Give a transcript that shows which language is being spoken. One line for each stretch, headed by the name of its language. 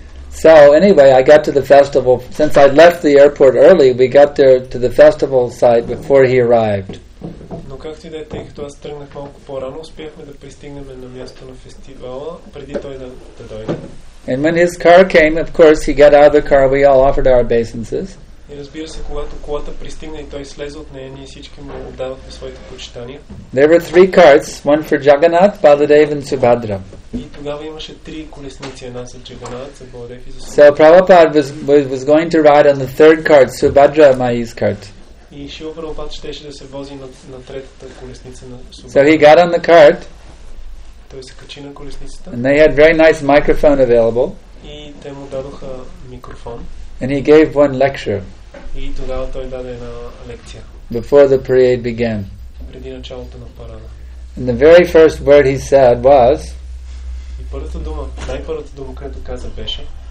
English: So anyway, I got to the festival. Since I'd left the airport early, we got there to the festival site before he arrived.
Bulgarian: Но както и да е, тъй като аз тръгнах малко по-рано, успяхме да пристигнем на място на фестивала преди той да дойде.
English: And when his car came, of course, he got out of the car. We all offered our obeisances.
Bulgarian: И разбира се, когато колата пристигна и той слезе от нея, ние всички му отдавахме своите почитания.
English: There were three carts, one for Jagannath, Baladev and Subhadra.
Bulgarian: И тогава имаше три колесници, една за Джаганат, за Баладев и за Субхадра.
English: So Prabhupada was going to ride on the third cart, Subhadra Mai's cart.
Bulgarian: И Шрила Прабхупад щеше да се вози на третата колесница на Субхадра.
English: So he got on the cart.
Bulgarian: Той се качи на колесницата.
English: And they had very nice microphone available.
Bulgarian: И те му дадоха микрофон.
English: And he gave one lecture.
Bulgarian: И тогава той даде една лекция.
English: Before the parade began.
Bulgarian: Преди началото на парада.
English: And the very first word he said was.
Bulgarian: И най-първата дума, която каза беше.